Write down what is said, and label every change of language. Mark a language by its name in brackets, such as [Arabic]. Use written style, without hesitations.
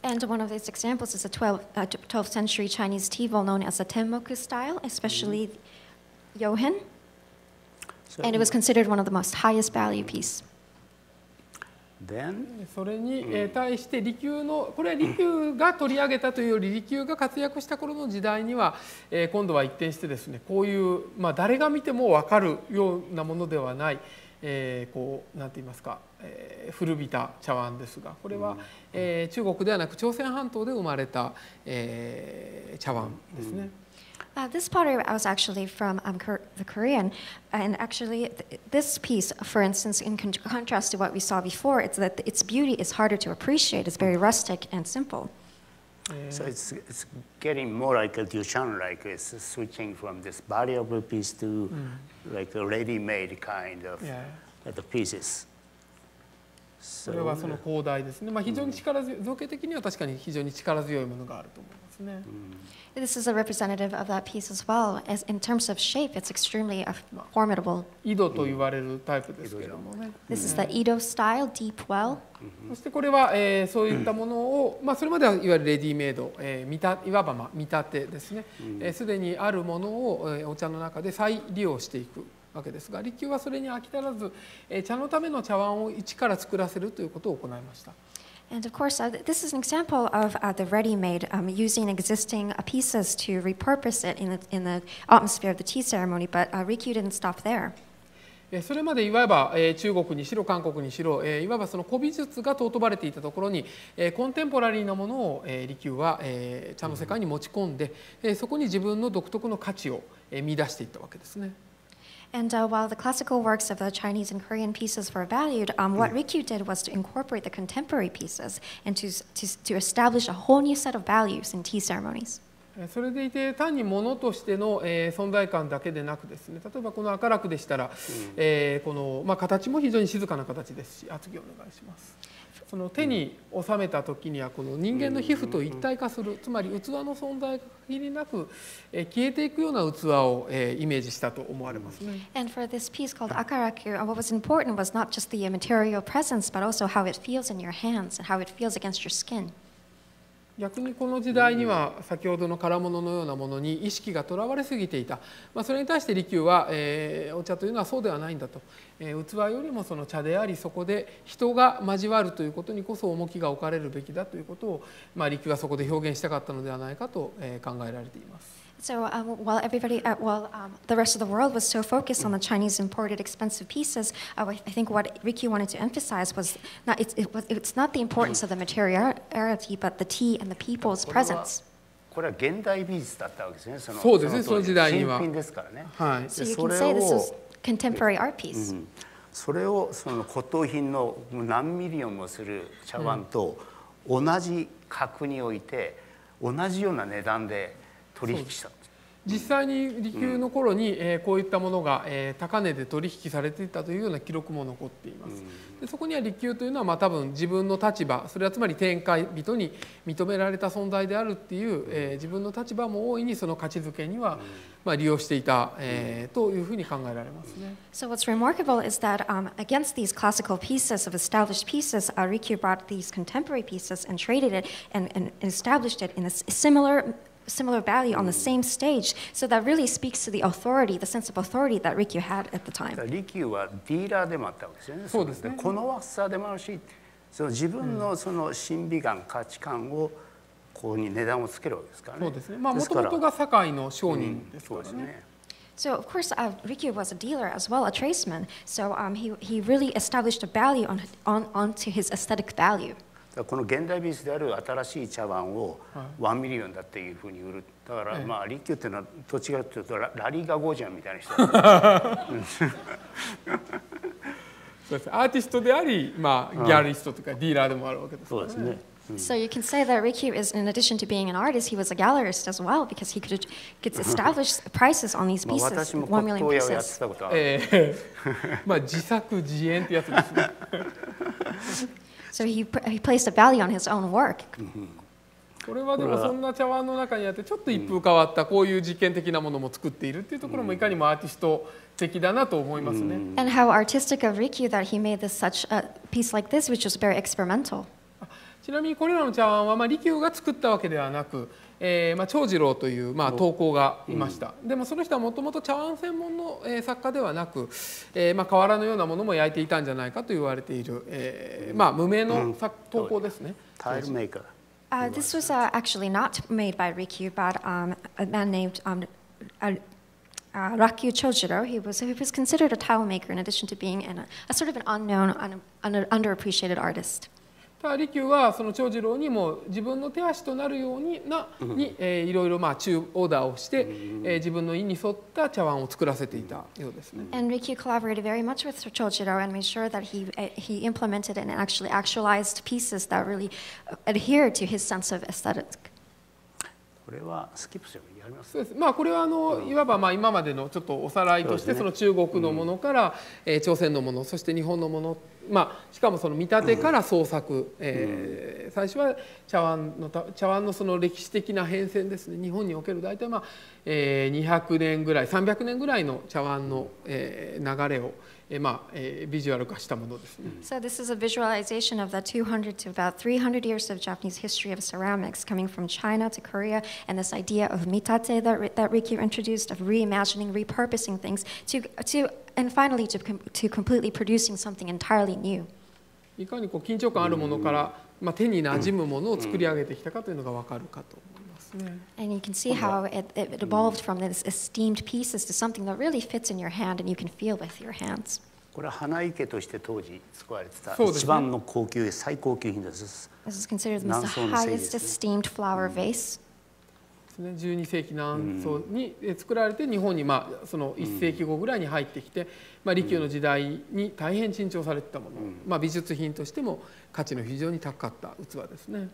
[English] And one of these examples is a 12th century Chinese tea bowl known as a 天目 style, especially 窯変. And it was considered one of the most highest value piece. Then, [Japanese] それに対して利休のこれは利休が取り上げたというより利休が活躍した頃の時代には今度は一転してですねこういうまあ誰が見ても分かるようなものではないこうなんて言いますか古びた茶碗ですがこれは中国ではなく朝鮮半島で生まれた茶碗ですね。 [English] This pottery was actually from the Korean, and actually this piece, for instance, in contrast to what we saw before, it's that its beauty is harder to appreciate. It's very rustic and simple. So it's getting more like a Duchamp, like it's switching from this valuable piece to like a ready-made kind of the pieces. [Japanese] それはその広大ですね。まあ、非常に力強い、造形的には確かに非常に力強いものがあると思いますね。 [English] This is a representative of that piece as well. As in terms of shape, it's extremely formidable. [Japanese] 井戸と言われるタイプですけどもね。 [English] This is the Edo style, deep well. [Japanese] そしてこれは、そういったものを、まあ、それまではいわゆるレディメイド、いわばまあ見立てですね。すでにあるものをお茶の中で再利用していく。わけですが、利休はそれに飽き足らず、茶のための茶碗を一から作らせるということを行いました。 [English] And of course, this is an example of the ready-made using existing pieces to repurpose it in the atmosphere of the tea ceremony. But Rikyu didn't stop there. [Japanese] それまでいわば中国にしろ韓国にしろ、いわばその古美術が尊ばれていたところに、コンテンポラリーなものを利休は茶の世界に持ち込んで、そこに自分の独特の価値を見出していったわけですね。 [English] And while the classical works of the Chinese and Korean pieces were valued, what Rikyu did was to incorporate the contemporary pieces and to establish a whole new set of values in tea ceremonies. [Japanese] それでいて単に物としての存在感だけでなくですね、例えばこの赤楽でしたら、この、まあ、形も非常に静かな形ですし、厚木お願いします。その手に収めた時にはこの人間の皮膚と一体化する、つまり器の存在が限りなく消えていくような器をイメージしたと思われますね。 [English] And for this piece called Akaraku, what was important was not just the material presence, but also how it feels in your hands and how it feels against your skin. [Japanese] 逆にこの時代には先ほどの唐物のようなものに意識がとらわれすぎていた、まあ、それに対して利休は、お茶というのはそうではないんだと、器よりもその茶であり、そこで人が交わるということにこそ重きが置かれるべきだということを、まあ、利休はそこで表現したかったのではないかと、考えられています。 [English] So, while everybody, the rest of the world was so focused on the Chinese imported expensive pieces, I think what Rikyu wanted to emphasize was not, it's not the importance of the materiality, but the tea and the people's presence. [Japanese] これは現代美術だったわけですね。そうですね、その時代には。新品ですからね。はい。 [English] So you can say this is contemporary art piece. [Japanese] それをその骨董品の何ミリオンもする茶碗と同じ格に置いて、同じような値段で取引した。実際に利休の頃に、こういったものが、高値で取引されていたというような記録も残っています。でそこには利休というのは、まあ、多分自分の立場、それはつまり天界人に認められた存在であるっていう、自分の立場も大いにその価値づけには、まあ、利用していた、というふうに考えられますね。 [English] So what's remarkable is that, against these classical pieces of established pieces, Rikyu brought these contemporary pieces and traded it and established it in a similar value on the same stage, so that really speaks to the authority, the sense of authority that Rikyu had at the time. [Japanese] Rikyu はディーラーでもあったわけですよね。そうですね。この若さでもあるし、その自分のその審美眼、価値観をここに値段をつけるわけですからね。そうですね。まあ、ですから、元々が堺の商人ですからね。うん、 [English] So of course, Rikyu was a dealer as well, a tradesman. So, he really established a value onto his aesthetic value. [Japanese] この現代美術である新しい茶碗を1ミリオンだっていうふうに売る、だからまあ利休っていうのはと違うというと ラリーガゴージャンみたいな人そうです。アーティストであり、まあ、ギャリストとかディーラーでもあるわけですね。そうですね。 [English] So you can say that Rikyu is, in addition to being an artist, he was a gallerist as well, because he could establish prices on these pieces, 1 million pieces. [Japanese] 私も骨董屋をやってたことある。まあ自作自演ってやつですね。 [English] So he placed a value on his own work. [Japanese] これはでもそんな茶碗の中にあってちょっと一風変わったこういう実験的なものも作っているっていうところもいかにもアーティスト的だなと思いますね。 [English] And how artistic of Rikyu that he made this such a piece like this, which was very experimental. [Japanese] ちなみにこれらの茶碗はまあ利休が作ったわけではなく、まあ長次郎というまあ陶工がいました。でもその人はもともと茶碗専門の作家ではなく、まあ瓦のようなものも焼いていたんじゃないかと言われている、まあ無名の陶工ですね。タイルメーカー。 [English] This was actually not made by Rikyu, but a man named Rakyu Chojiro. He was considered a tile maker in addition to being a sort of an unknown, underappreciated artist. [Japanese] 利休はその長次郎にも自分の手足となるようにいろいろまあ中オーダーをして、自分の意に沿った茶碗を作らせていたようですね。 [English] And Rikyu collaborated very much with Chojiro and made sure that he implemented and actually actualized pieces that really adhere to his sense of aesthetic. [Japanese] これはスキップしてもいいありますか。そうです。まあこれはいわばまあ今までのちょっとおさらいとして、その中国のものから、朝鮮のもの、そして日本のもの。まあ、しかもその見立てから創作、最初は茶碗の その歴史的な変遷ですね。日本における大体、まあ200年ぐらい300年ぐらいの茶碗の、流れを、まあビジュアル化したものですね。 [English] So this is a visualization of the 200 to about 300 years of Japanese history of ceramics coming from China to Korea, and this idea of mitate that Rikyu introduced of reimagining, repurposing things to and finally to completely producing something entirely new. [Japanese] いかにこう緊張感あるものから、まあ、手に馴染むものを作り上げてきたかというのが分かるかと思いますね。 [English] And you can see how it evolved from this esteemed pieces to something that really fits in your hand and you can feel with your hands. [Japanese] これは花生として当時使われてた一番の高級、最高級品です。 [English] This is considered the highest esteemed flower vase. [Japanese] 12世紀南宋に作られて日本にまあその1世紀後ぐらいに入ってきて、まあ利休の時代に大変珍重されていたもの、まあ美術品としても価値の非常に高かった器ですね。